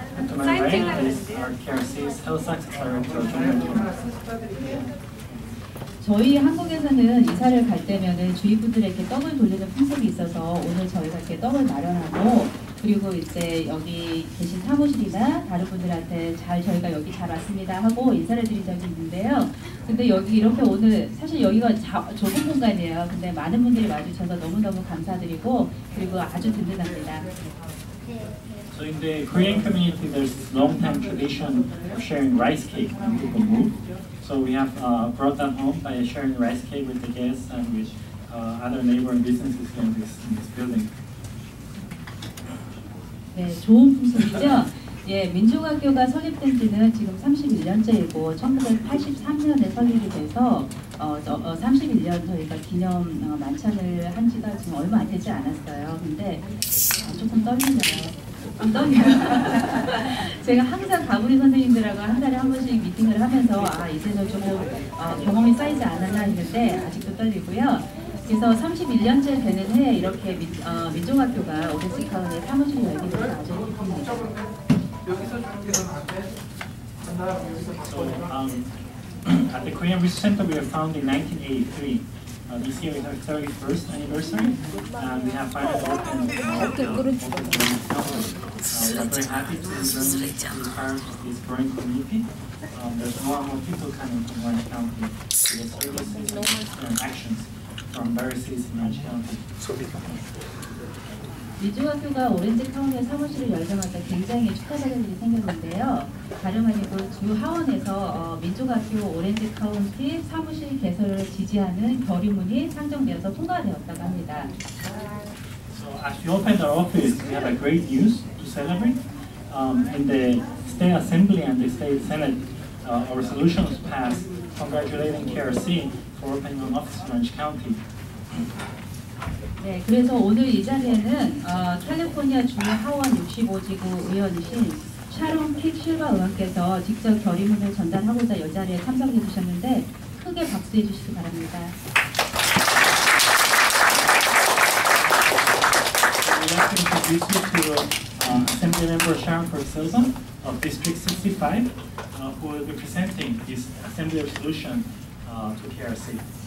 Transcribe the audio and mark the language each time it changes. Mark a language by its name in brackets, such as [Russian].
[English] And to my right is our KRC's Health Access Director, Jung Yong Kim. [Korean] 저희 한국에서는 이사를 갈 때면은 주위 분들에게 떡을 돌리는 풍습이 있어서 오늘 저희가 이렇게 떡을 마련하고 그리고 이제 여기 계신 사무실이나 다른 분들한테 잘 저희가 여기 잘 왔습니다 하고 인사를 드린 적이 있는데요. 근데 여기 이렇게 오늘 사실 여기가 좁은 공간이에요. 근데 많은 분들이 와주셔서 너무너무 감사드리고 그리고 아주 든든합니다. [English] So in the Korean community, there's long time tradition of sharing rice cake and bibimbap. So we have brought that home by sharing rice cake with the guests and with other neighboring businesses in this building. [Korean] 네, 좋은 풍습이죠. 예, 민족학교가 설립된 지는 지금 31년째이고 1983년에 설립이 돼서 31년 저희가 기념 만찬을 한 지가 지금 얼마 안 되지 않았어요. 근데 조금 떨리네요. 제가 항상 가부리 선생님들하고 한 달에 한 번씩 미팅을 하면서 아 이제는 조금 경험이 쌓이지 않았나 했는데 아직도 떨리고요. 그래서 31년째 되는 해에 이렇게 민족학교가 오데스카운의 사무실을 열게 돼서 아주 기쁩니다. [English] At the Korean Research Center, we were founded in 1983. This year is our 31st anniversary, and we have finally opened our very happy to be part of this growing community. There's more and more people coming from Orange County to get services and actions from various cities in Orange County. [Korean] 미주학교가 오렌지 카운티의 사무실을 열자마자 굉장히 축하받은 일이 생겼는데요. 다름 아니고 주 하원에서 민족학교 오렌지 카운티 사무실 개설을 지지하는 결의문이 상정되어서 통과되었다고 합니다. [English] So as we opened our office, we have a great news to celebrate. In the State Assembly and the State Senate, a resolution was passed congratulating KRC for opening an office in Orange County. [Korean] 네, 그래서 오늘 이 자리에는 캘리포니아 주 하원 65지구 의원이신 샤론 킥 실바 의원께서 직접 결의문을 전달하고자 이 자리에 참석해 주셨는데 크게 박수해 주시기 바랍니다. [English] I'd like to introduce you to Assembly Member Sharon Kirk Silva of District 65 who will be presenting this Assembly Resolution to KRC.